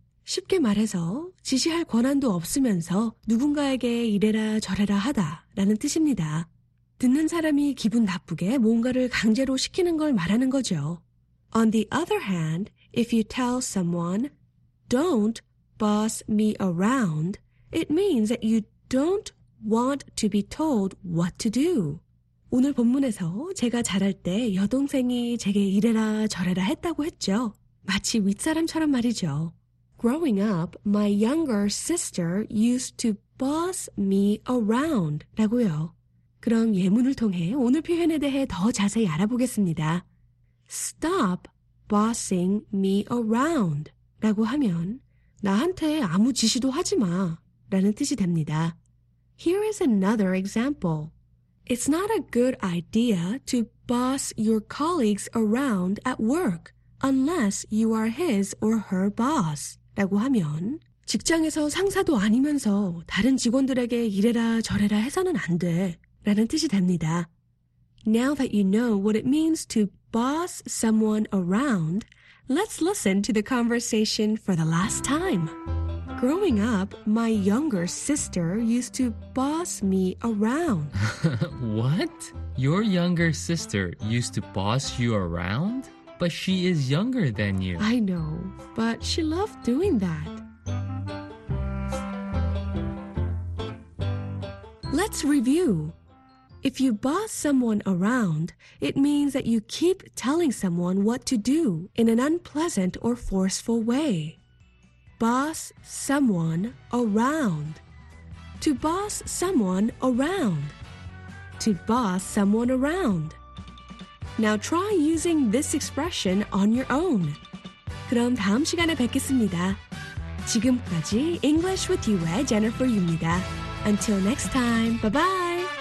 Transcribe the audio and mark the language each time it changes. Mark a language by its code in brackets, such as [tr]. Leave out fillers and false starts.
[ko] 쉽게 말해서 지시할 권한도 없으면서 누군가에게 이래라 저래라 하다 라는 뜻입니다. 듣는 사람이 기분 나쁘게 뭔가를 강제로 시키는 걸 말하는 거죠. [en] On the other hand, if you tell someone, don't boss me around, it means that you don't want to be told what to do. [ko] 오늘 본문에서 제가 자랄 때 여동생이 제게 이래라 저래라 했다고 했죠. 마치 윗사람처럼 말이죠. [en] Growing up, my younger sister used to boss me around. [ko] 라고요. 그럼 예문을 통해 오늘 표현에 대해 더 자세히 알아보겠습니다. [en] Stop bossing me around. [ko] 라고 하면 나한테 아무 지시도 하지 마. 라는 뜻이 됩니다. [en] Here is another example. It's not a good idea to boss your colleagues around at work unless you are his or her boss. [ko] 라고 하면 직장에서 상사도 아니면서 다른 직원들에게 이래라 저래라 해서는 안 돼 라는 뜻이 됩니다. [en] Now that you know what it means to boss someone around, let's listen to the conversation for the last time. Growing up, my younger sister used to boss me around. What? Your younger sister used to boss you around? But she is younger than you. I know, but she loved doing that. Let's review. If you boss someone around, it means that you keep telling someone what to do in an unpleasant or forceful way. Boss someone around. To boss someone around. To boss someone around. Now try using this expression on your own. [ko] 그럼 다음 시간에 뵙겠습니다. 지금까지 English with you의 Jennifer 유입니다. [en] Until next time, bye-bye!